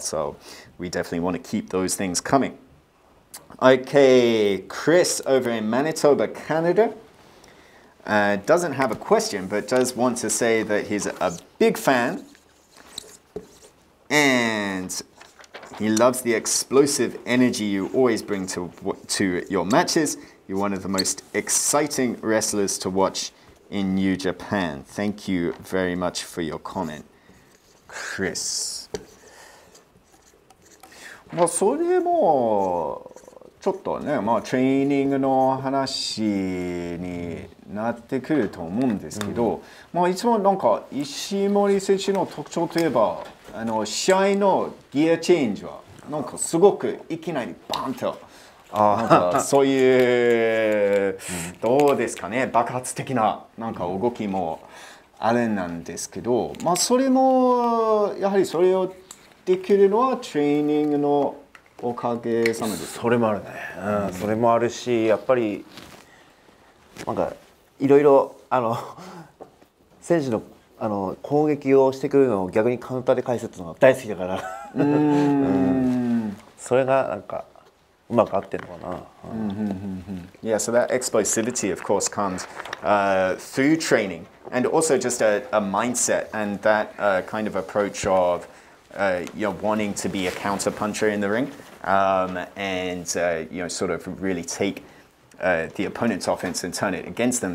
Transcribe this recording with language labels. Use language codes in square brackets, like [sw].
[en] So we definitely want to keep those things coming. Okay, Chris over in Manitoba, Canada, doesn't have a question, but does want to say that he's a big fan and he loves the explosive energy you always bring to your matches. You're one of the most exciting wrestlers to watch in New Japan. Thank you very much for your comment, Chris. [ja] まあそれもちょっとね、まあトレーニングの話になってくると思うんですけど、まあいつもなんか石森選手の特徴といえば、あの試合のギアチェンジはなんかすごくいきなりバンとなんかそういうどうですかね、爆発的ななんか動きもあれなんですけど、まあそれもやはりそれをできるのはトレーニングのおかげさまです。それもあるね、うん、それもあるし、やっぱりなんかいろいろあの選手のあの攻撃をしてくるのを逆にカウンターで返すのが大好きだからそれがなんかうまく合ってるのかな。 [en] Yeah, so that explosivity of course comes through training and also just a mindset and that kind of approach of you know, wanting to be a counter puncher in the ring and you know, sort of really takethe opponent's offense and turn it against them.